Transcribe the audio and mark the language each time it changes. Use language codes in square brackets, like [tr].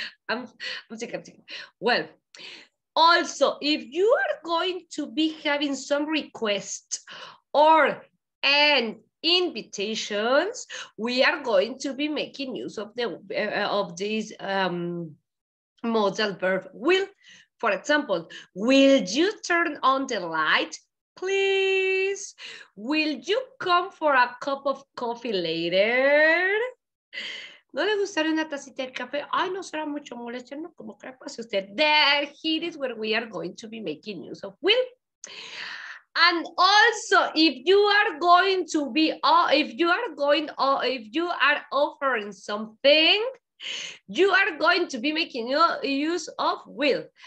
[en] I'm sick. Well, also, if you are going to be having some requests or an invitations, we are going to be making use of the of this modal verb will. For example, will you turn on the light, please? Will you come for a cup of coffee later? [es] ¿No le gustaría una tacita de café? Ay, no será mucho molesto, no, como que pase usted. [en] There, here is where we are going to be making use of will. And also, if you are going to be, if you are offering something, you are going to be making use of will.